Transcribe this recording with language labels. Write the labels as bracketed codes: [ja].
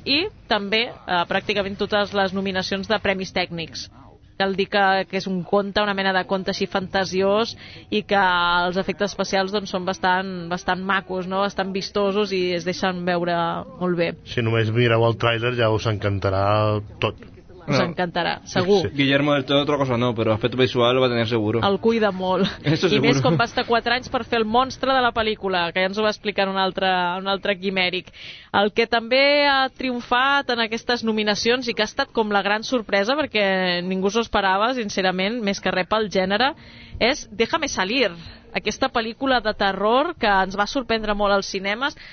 [ca] I també pràcticament totes les nominacions de premis tècnics. Cal dir que és un conte, una mena de conte així fantasiós, i que els efectes especials doncs són bastant, bastant macos, no? Bastant vistosos, i es deixen veure molt bé. Si només mireu el tràiler ja us encantarà tot. [es] Nos encantará, seguro. Sí. Guillermo del Toro, otra cosa no, pero aspecto visual lo va a tener seguro. [ca] El cuida molt. [es] Eso [ca] y més quan va estar 4 anys per fer el monstre de la pel·lícula, que ja ens ho va explicar un altre quimèric. El que també ha triomfat en aquestes nominacions i que ha estat com la gran sorpresa, perquè ningú s'ho esperava, sincerament, més que rep el gènere, és Déjame salir, aquesta pel·lícula de terror que ens va sorprendre molt als cinemes.